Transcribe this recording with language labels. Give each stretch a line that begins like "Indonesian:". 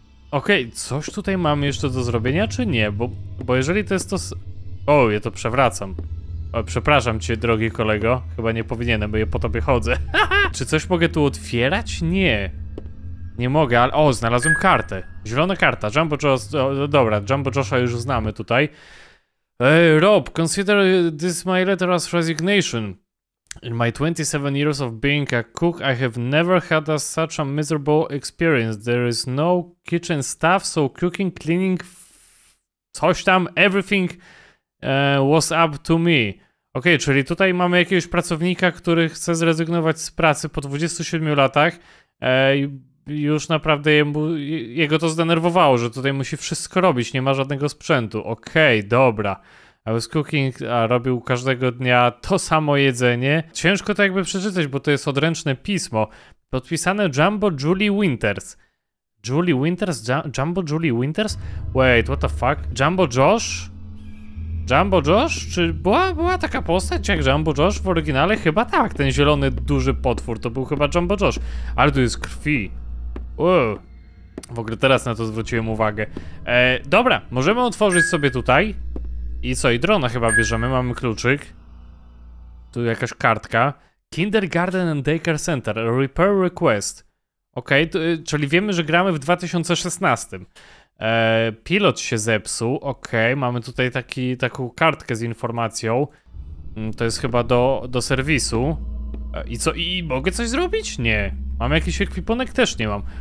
Polish: Okej, coś tutaj mamy jeszcze do zrobienia, czy nie? Bo jeżeli to jest to... O, ja to przewracam. O, przepraszam cię, drogi kolego. Chyba nie powinienem, bo ja po tobie chodzę. Czy coś mogę tu otwierać? Nie. Nie mogę, ale... O, znalazłem kartę. Zielona karta. Jumbo Josh... Dobra, Jumbo Josha już znamy tutaj.
English: Rob, consider this my letter as resignation. In my 27 years of being a cook, I have never had such a miserable experience. There is no kitchen staff, so cooking, cleaning,
Polish: coś tam,
English: everything was up to me.
Polish: Okej, czyli tutaj mamy jakiegoś pracownika, który chce zrezygnować z pracy po 27 latach. Już naprawdę jego to zdenerwowało, że tutaj musi wszystko robić, nie ma żadnego sprzętu. Okej, dobra.
English: I was cooking,
Polish: a robił każdego dnia to samo jedzenie. Ciężko to jakby przeczytać, bo to jest odręczne pismo. Podpisane Jumbo Julie Winters. Julie Winters?
English: Jumbo Julie Winters? Wait, what the fuck? Jumbo Josh? Jumbo Josh?
Polish: Czy była taka postać jak Jumbo Josh w oryginale? Chyba tak, ten zielony duży potwór to był chyba Jumbo Josh. Ale tu jest krwi. W ogóle teraz na to zwróciłem uwagę. Dobra, możemy otworzyć sobie tutaj. I co, i drona chyba bierzemy, mamy kluczyk. Tu jakaś kartka.
English: Kindergarten and Daycare Center, a repair request.
Polish: Okej, okay, czyli wiemy, że gramy w 2016. Pilot się zepsuł, okej, okay, mamy tutaj taką kartkę z informacją. To jest chyba do serwisu. I co, i mogę coś zrobić? Nie. Mam jakiś ekwipunek? Też nie mam.